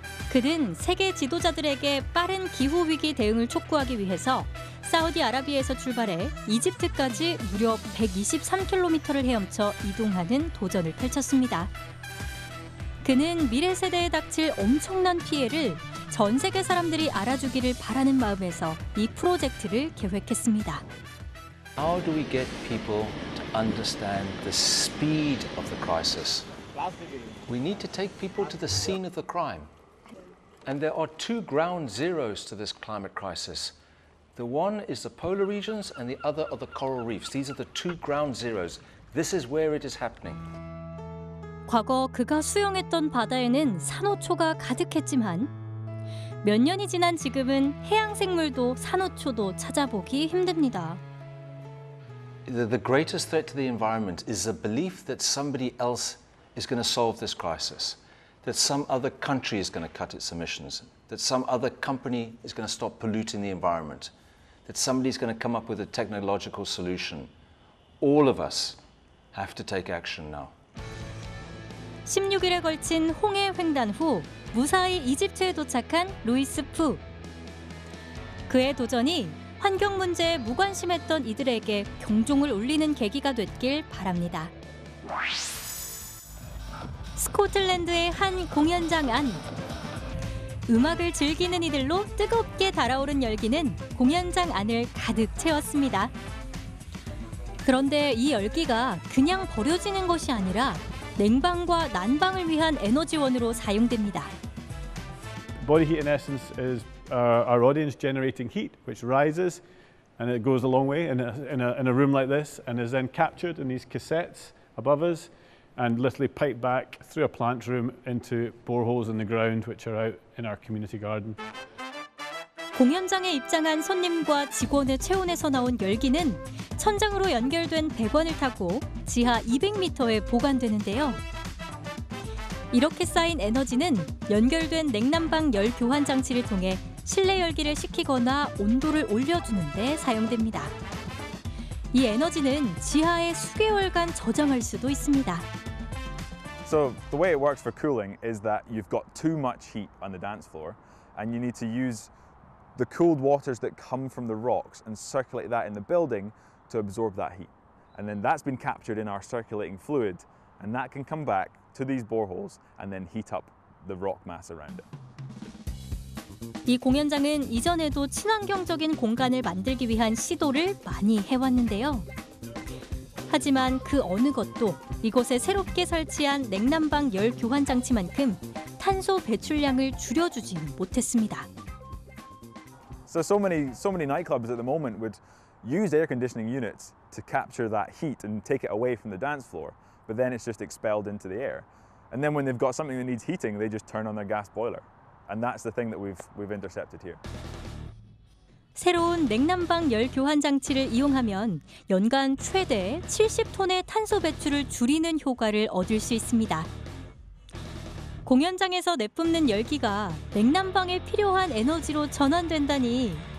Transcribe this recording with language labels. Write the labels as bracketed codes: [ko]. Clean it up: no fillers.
[ko] 그는 세계 지도자들에게 빠른 기후위기 대응을 촉구하기 위해서 사우디아라비아에서 출발해 이집트까지 무려 123km를 헤엄쳐 이동하는 도전을 펼쳤습니다. 그는 미래 세대에 닥칠 엄청난 피해를 전 세계 사람들이 알아주기를 바라는 마음에서 이 프로젝트를 계획했습니다. [en] How do we get people to understand the speed of the crisis? We need to take people to the scene of the crime. And there are two ground zeros to this climate crisis. The one is the polar regions and the other are the coral reefs. These are the two ground zeros. This is where it is happening. [ko] 과거 그가 수영했던 바다에는 산호초가 가득했지만 몇 년이 지난 지금은 해양 생물도 산호초도 찾아보기 힘듭니다. [en] The greatest threat to the environment is a belief that somebody else is going to solve this crisis, that some other country is going to cut its emissions, that some other company is going to stop polluting the environment, that somebody is going to come up with a technological solution. All of us have to take action now. [ko] 16일에 걸친 홍해 횡단 후 무사히 이집트에 도착한 루이스 푸. 그의 도전이 환경 문제에 무관심했던 이들에게 경종을 울리는 계기가 됐길 바랍니다. 스코틀랜드의 한 공연장 안. 음악을 즐기는 이들로 뜨겁게 달아오른 열기는 공연장 안을 가득 채웠습니다. 그런데 이 열기가 그냥 버려지는 것이 아니라 냉방과 난방을 위한 에너지원으로 사용됩니다. [en] Body heat in essence is our audience generating heat, which rises and it goes a long way in a room like this and is then captured in these cassettes above us and literally piped back through a plant room into boreholes in the ground which are out in our community garden. [ko] 공연장에 입장한 손님과 직원의 체온에서 나온 열기는 천장으로 연결된 배관을 타고 지하 200m에 보관되는데요. 이렇게 쌓인 에너지는 연결된 냉난방 열 교환 장치를 통해 실내 열기를 식히거나 온도를 올려주는 데 사용됩니다. 이 에너지는 지하에 수개월간 저장할 수도 있습니다. [en] So the way it works for cooling is that you've got too much heat on the dance floor and you need to use the cooled waters that come from the rocks and circulate that in the building to absorb that heat. And then that's been captured in our circulating fluid and that can come back to these boreholes and then heat up the rock mass around it. [ko] 이 공연장은 이전에도 친환경적인 공간을 만들기 위한 시도를 많이 해왔는데요. 하지만 그 어느 것도 이곳에 새롭게 설치한 냉난방 열 교환 장치만큼 탄소 배출량을 줄여주지 못했습니다. [en] So many nightclubs at the moment would use air conditioning units to capture that heat and take it away from the dance floor, but then it's just expelled into the air. And then when they've got something that needs heating, they just turn on their gas boiler. And that's the thing that we've intercepted here. [ko] 새로운 냉난방 열 교환 장치를 이용하면 연간 최대 70톤의 탄소 배출을 줄이는 효과를 얻을 수 있습니다. 공연장에서 내뿜는 열기가 냉난방에 필요한 에너지로 전환된다니.